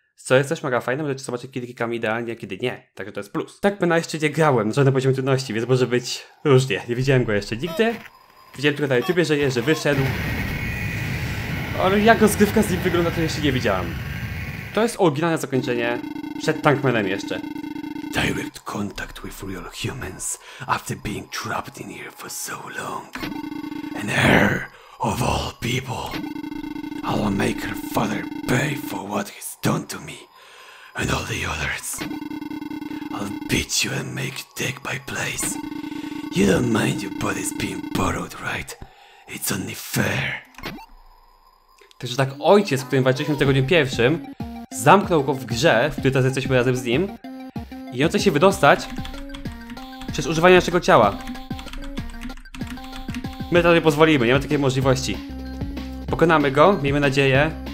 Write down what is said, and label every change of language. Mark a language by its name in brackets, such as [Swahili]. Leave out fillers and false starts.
[Polish] Co jest też mega fajne, możecie zobaczyć, kiedy klikamy idealnie, a kiedy nie. Także to jest plus. Tak by na jeszcze nie grałem, na żadnym poziomie trudności, więc może być różnie. Nie widziałem go jeszcze nigdy. Widziałem tylko na YouTubie, że jest, że wyszedł. Ale jak rozgrywka z nim wygląda, to jeszcze nie widziałem. To jest oryginalne zakończenie przed Tankmanem jeszcze. [English] Direct contact with real humans after being trapped in here for so long. An heir of all people. I'll make her father pay for what he's done to me and all the others. I'll beat you and make you take my place. You don't mind your bodies being borrowed, right? It's only fair. [Polish] Także tak, ojciec, z którym walczyliśmy w tygodniu pierwszym, zamknął go w grze, w której teraz jesteśmy razem z nim. I on chce się wydostać przez używanie naszego ciała. My to nie pozwolimy, nie mamy takiej możliwości. Pokonamy go, miejmy nadzieję.